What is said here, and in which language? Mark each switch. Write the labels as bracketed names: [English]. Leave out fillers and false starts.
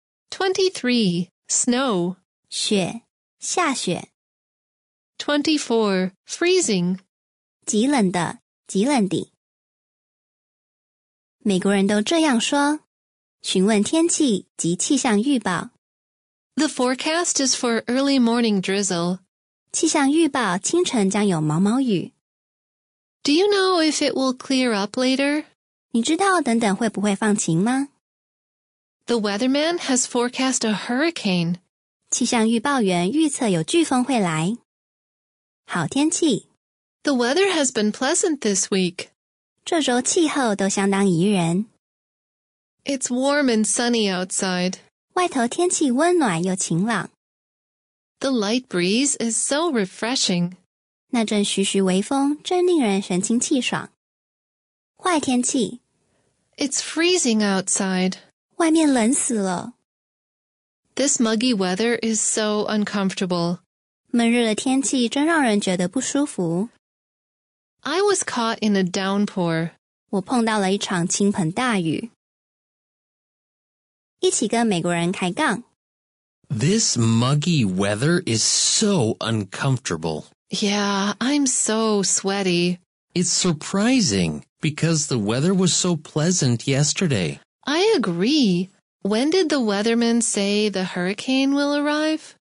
[English] 23. Snow, [Chinese] 雪下雪 [English] 24. Freezing [Chinese] 极冷的极冷的美国人都这样说询问天气及气象预报 [English] The forecast is for early morning drizzle [Chinese] 气象预报清晨将有毛毛雨 [English] Do you know if it will clear up later? [Chinese] 你知道等等会不会放晴吗 [English] The weatherman has forecast a hurricane [Chinese] 气象预报员预测有飓风会来。好天气。 [English] The weather has been pleasant this week. [Chinese] 这周气候都相当宜人。 [English] It's warm and sunny outside. [Chinese] 外头天气温暖又晴朗。 [English] The light breeze is so refreshing. [Chinese] 那阵徐徐微风真令人神清气爽。坏天气。 [English] It's freezing outside. [Chinese] 外面冷死了。 [English] This muggy weather is so uncomfortable. [Chinese] 闷热的天气真让人觉得不舒服。 [English] I was caught in a downpour. [Chinese] 我碰到了一场倾盆大雨。一起跟美国人开杠。 [English] This muggy weather is so uncomfortable. Yeah, I'm so sweaty. It's surprising because the weather was so pleasant yesterday. I agree. When did the weatherman say the hurricane will arrive?